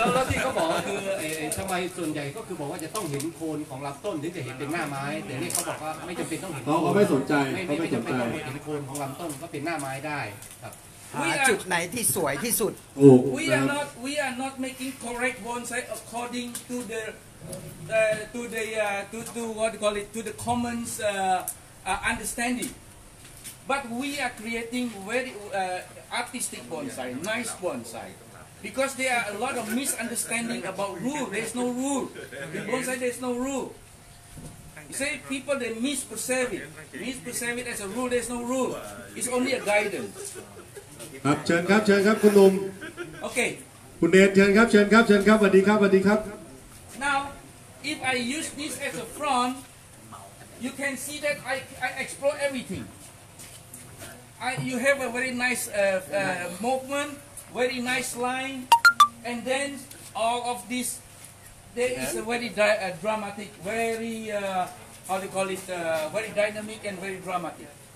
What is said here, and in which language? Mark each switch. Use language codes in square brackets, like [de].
[th] แล้วที่เขาบอกคือทำไมส่วนใหญ่ก็คือบอกว่าจะต้องเห็นโคนของลำต้นถึงจะเห็นเป็นหน้าไม้แต่นี่เขาบอกว่าไม่จำเป็นต้องเห็น เขาไม่สนใจเขาไม่ จำเป็นต้องเห็นโคนของลำต้นก็เป็นหน้าไม้ได้ครับ หาจุดไหนที่สวยที่สุด [en] We are not making correct bonsai according to the common's understanding but we are creating very artistic bonsai nice bonsai because there are a lot of misunderstanding about rule there's no rule in bonsai there's no rule you say people they misperceive it as a rule there's no rule it's only a guidance [th] ครับเชิญครับเชิญครับคุณนุ่ม โอเค คุณเนทเชิญครับเชิญครับเชิญครับสวัสดีครับสวัสดีครับ [en] Now if I use this as a front you can see that I explore everything you have a very nice movement very nice line and then all of this there is a very dramatic very how do you call it very dynamic and very dramatic